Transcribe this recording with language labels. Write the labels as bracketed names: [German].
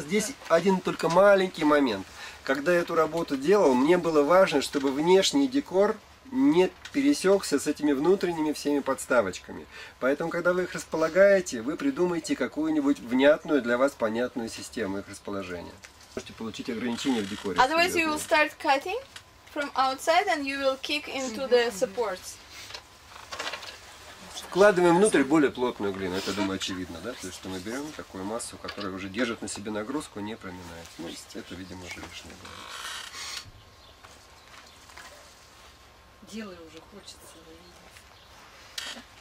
[Russian] Здесь один только маленький момент. Когда я эту работу делал, мне было важно, чтобы внешний декор не пересекся с этими внутренними всеми подставочками. Поэтому, когда вы их располагаете, вы придумайте какую-нибудь внятную для вас понятную систему их расположения. Можете получить ограничения в декоре. [English] Otherwise, you will start cutting from outside and you will kick into the supports. [Russian] Вкладываем внутрь более плотную глину, это, думаю, очевидно, да? То есть, что мы берем такую массу, которая уже держит на себе нагрузку, не проминает. Ну, это, видимо, уже лишнее было. Делай уже, хочется.